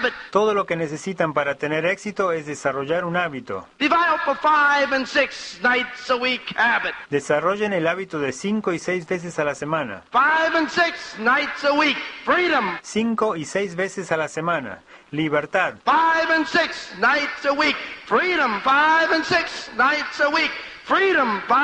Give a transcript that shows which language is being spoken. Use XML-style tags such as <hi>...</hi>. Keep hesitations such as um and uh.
<es>Todo lo que necesitan para tener éxito es desarrollar un hábito.</es> <en>For five and six nights a week habit.</en> <es>Desarrollen el hábito de cinco y seis veces a la semana.</es> <en>Five and six nights a week. Freedom.</en> <es>Cinco y seis veces a la semana. Libertad.</es> <en>Five and six nights a week. Freedom. Five and six nights a week. Freedom.</en>